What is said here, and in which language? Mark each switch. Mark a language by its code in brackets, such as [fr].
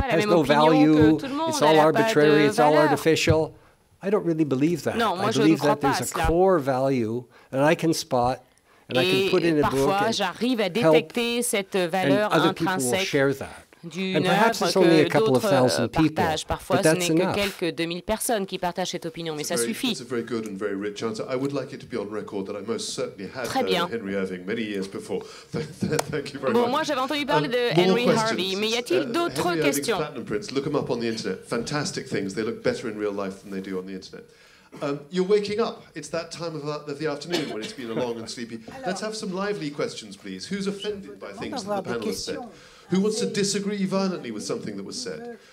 [en] has no value. It's all arbitrary. It's all artificial. I don't really believe that. I believe that there's a core value that I can spot and I can put in a book and help, and other people will share that. And perhaps it's only a couple of thousand people, but that's enough. [fr] Quelques 2000 personnes qui partagent cette opinion, mais ça suffit. [en] It's a very good and very rich answer. I would like it to be on record that I most certainly had Henry Irving many years before. Thank you very much. [fr] Bon, moi j'avais entendu parler de Henry Harvey, mais y a-t-il d'autres questions? [en] Platinum prints, look them up on the internet. Fantastic things. They look better in real life than they do on the internet. You're waking up. It's that time of the afternoon when it's been a long and sleepy. Let's have some lively questions, please. Who's offended by things that the panel has said? Who wants to disagree violently with something that was said?